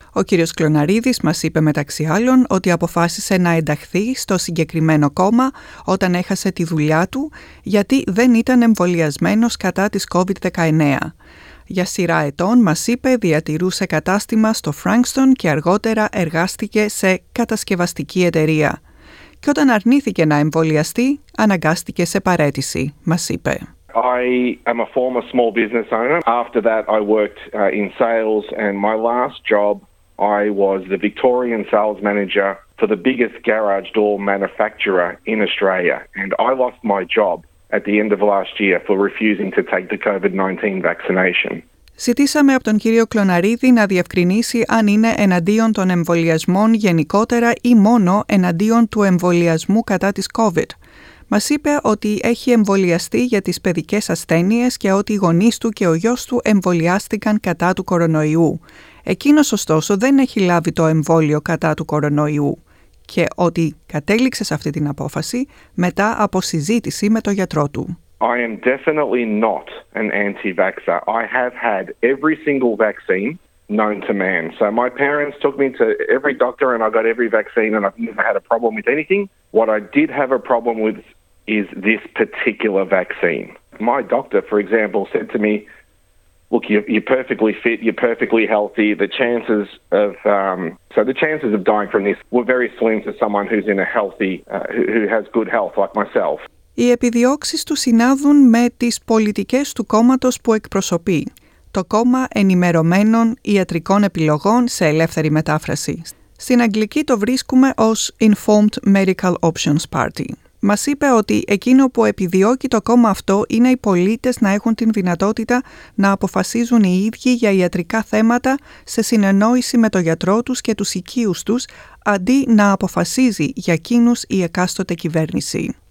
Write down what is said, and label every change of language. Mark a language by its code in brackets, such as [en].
[el] Ο κύριος Κλωναρίδης μας είπε μεταξύ άλλων ότι αποφάσισε να ενταχθεί στο συγκεκριμένο κόμμα όταν έχασε τη δουλειά του γιατί δεν ήταν εμβολιασμένος κατά της COVID-19. Για σειρά ετών, μας είπε, διατηρούσε κατάστημα στο Frankston και αργότερα εργάστηκε σε κατασκευαστική εταιρεία. Και όταν αρνήθηκε να εμβολιαστεί, αναγκάστηκε σε παρέτηση, μας είπε. [en] I am a former small business owner. After that, I worked in sales, and my last job, I was the Victorian sales manager for the biggest garage door manufacturer in Australia. And I lost my job at the end of last year for refusing to take the COVID-19 vaccination. [el] Ζητήσαμε από τον κύριο Κλωναρίδη να διευκρινίσει αν είναι εναντίον των εμβολιασμών γενικότερα ή μόνο εναντίον του εμβολιασμού κατά της COVID. Μας είπε ότι έχει εμβολιαστεί για τις παιδικές ασθένειες και ότι οι γονείς του και ο γιος του εμβολιάστηκαν κατά του κορονοϊού. Εκείνος ωστόσο δεν έχει λάβει το εμβόλιο κατά του κορονοϊού και ότι κατέληξε σε αυτή την απόφαση μετά από συζήτηση με τον γιατρό του. [en] I am definitely not an anti-vaxxer. I have had every single vaccine known to man. So my parents took me to every doctor and I got every vaccine and I've never had a problem with anything. What I did have a problem with is this particular vaccine. My doctor, for example, said to me, look, you're perfectly fit, you're perfectly healthy. The chances of dying from this were very slim to someone who's in a healthy, who has good health like myself. [el] Οι επιδιώξεις του συνάδουν με τις πολιτικές του κόμματος που εκπροσωπεί, το κόμμα ενημερωμένων ιατρικών επιλογών σε ελεύθερη μετάφραση. Στην αγγλική το βρίσκουμε ως Informed Medical Options Party. Μας είπε ότι εκείνο που επιδιώκει το κόμμα αυτό είναι οι πολίτες να έχουν την δυνατότητα να αποφασίζουν οι ίδιοι για ιατρικά θέματα σε συνεννόηση με τον γιατρό τους και τους οικείους τους, αντί να αποφασίζει για εκείνους η εκάστοτε κυβέρνηση.